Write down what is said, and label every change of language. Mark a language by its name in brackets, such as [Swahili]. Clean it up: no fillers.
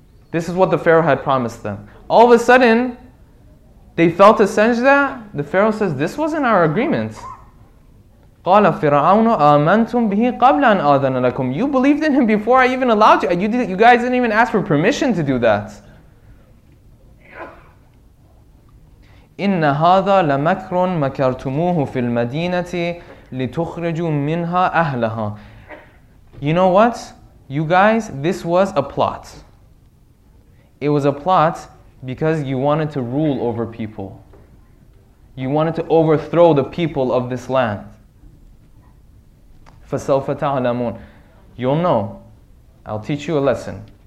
[English] This is what the Pharaoh had promised them. All of a sudden, they fell to sajda. The Pharaoh says, this wasn't our agreement. [Arabic] قَالَ فِرْعَوْنُ آمَنْتُمْ بِهِ قَبْلَ أَنْ آذَنَ لَكُمْ [English] You believed in him before I even allowed you. You guys didn't even ask for permission to do that. [Arabic] إِنَّ هَذَا لَمَكْرٌ مَكَرْتُمُوهُ فِي الْمَدِينَةِ لِتُخْرِجُوا مِنْهَا أَهْلَهَا [English] You know what? You guys, this was a plot. It was a plot because you wanted to rule over people. You wanted to overthrow the people of this land. [Arabic] فَسَوْفَ تَعْلَمُونَ [English] You'll know. I'll teach you a lesson.